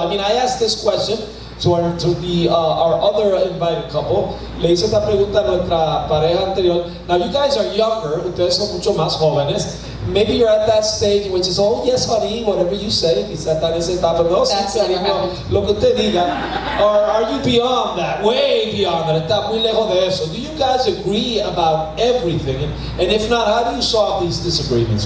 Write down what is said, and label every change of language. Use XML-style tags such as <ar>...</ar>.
<en>I mean, I asked this question to our other invited couple.</en> <es>Le hice esta pregunta a nuestra pareja anterior.</es> <en>Now, you guys are younger.</en> <es>Ustedes son mucho más jóvenes.</es> <en>Maybe you're at that stage, which is, oh, yes, honey, whatever you say.</en> <es>Quizá está en esa etapa. No, sí, lo que usted diga.</es> <en>Or are you beyond that? Way beyond that.</en> <es>Está muy lejos de eso.</es> <en>Do you guys agree about everything? And if not, how do you solve these disagreements?</en>